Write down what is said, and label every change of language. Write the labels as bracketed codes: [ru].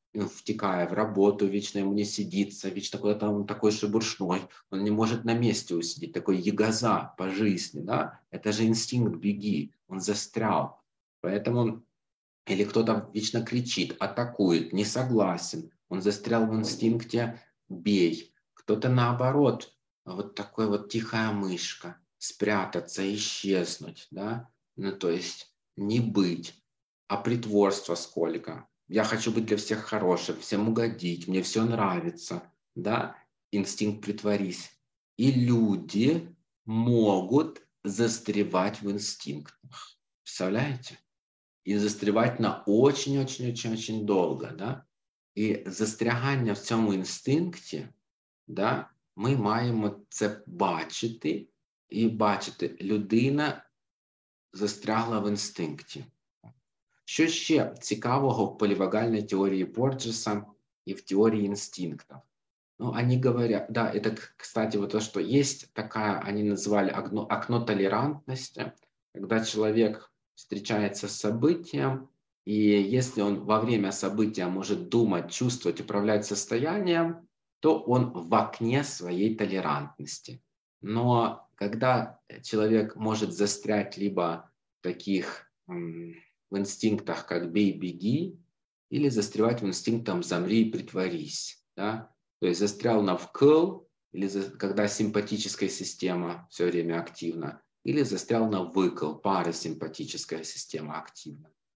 [uk] Він втікає в роботу, вічно йому не сидіться, вічно куди там такий шебуршной, він не може на місці усидіти, такий єгоза по житті, да? Це ж інстинкт «біги», він застряв. [ru] Поэтому, [uk] или хто-то вічно кричить, атакує, не согласен, він застряв в інстинкті «бей». [ru] Хто-то наоборот, вот такой вот тихая мышка, спрятаться, исчезнуть, да? Ну, то есть не быть, а притворство сколько. Я хочу быть для всех хорошим, всем угодить, мне все нравится, да? Инстинкт притворись. И люди могут застревать в инстинктах, представляете? И застревать на очень-очень-очень-очень долго, да? И застрягание в цьому инстинкте, да? [uk] Ми маємо це бачити і бачити, людина застрягла в інстинкті. Що ще цікавого в полівагальній теорії Борджеса і в теорії інстинктів? Ну, вони говорять, да, і так, кстати, вот то, що є така, вони назвали окно толерантності, коли чоловік зустрічається з событием, і якщо він во время события може думати, чувствовать, управляти состоянием, [ru] то он в окне своей толерантности. Но когда человек может застрять либо в таких в инстинктах, как «бей, беги», или застревать в инстинктах «замри и притворись», да? То есть застрял на «вкл», или когда симпатическая система все время активна, или застрял на «выкл», парасимпатическая система активна.